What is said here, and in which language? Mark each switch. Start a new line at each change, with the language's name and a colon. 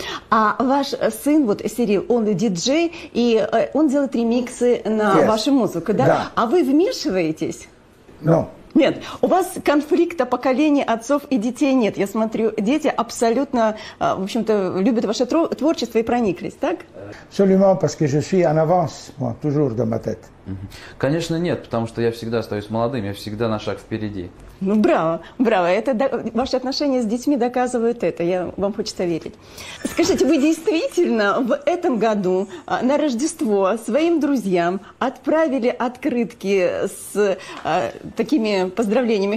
Russian: А ваш сын, вот Сирил, он диджей, и он делает ремиксы на yes. вашу музыку, да? Да. А вы вмешиваетесь?
English: No.
Russian: Нет, у вас конфликта поколений отцов и детей нет. Я смотрю, дети абсолютно, в общем-то, любят ваше творчество и прониклись, так?
French: Absolument, parce que je suis en avance, moi, toujours dans ma tête.
Russian: Конечно, нет, потому что я всегда остаюсь молодым, я всегда на шаг впереди. Ну, браво, браво. Это ваши отношения с детьми доказывают это, я вам хочется верить. Скажите, вы действительно в этом году на Рождество своим друзьям отправили открытки с такими поздравлениями?